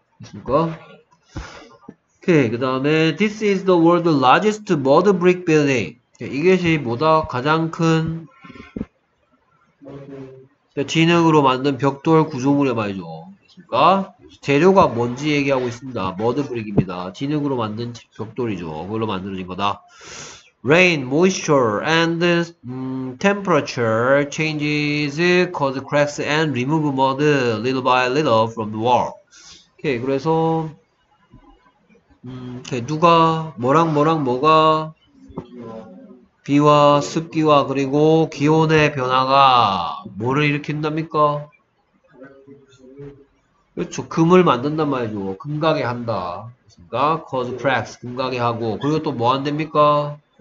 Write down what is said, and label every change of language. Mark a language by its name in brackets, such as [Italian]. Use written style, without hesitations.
[English] 그니까 오케이. 그 다음에 This is the world's largest mud brick building. [Korean] 이것이 뭐다? 가장 큰 진흙으로 만든 벽돌 구조물이 말이죠. 그니까 재료가 뭔지 얘기하고 있습니다. 머드브릭입니다. 진흙으로 만든 벽돌이죠. 그걸로 만들어진 거다. [English] Rain, moisture, and temperature changes cause cracks and remove mud little by little from the wall. [Korean] 오케이, 그래서 오케이, 누가 뭐랑 뭐가 비와 습기와 그리고 기온의 변화가 뭐를 일으킨답니까? 그렇죠. 금을 만든단 말이죠. 금가게 한다. 그러니까 [English] cause cracks, [Korean] 금가게 하고 그리고 또뭐안 됩니까?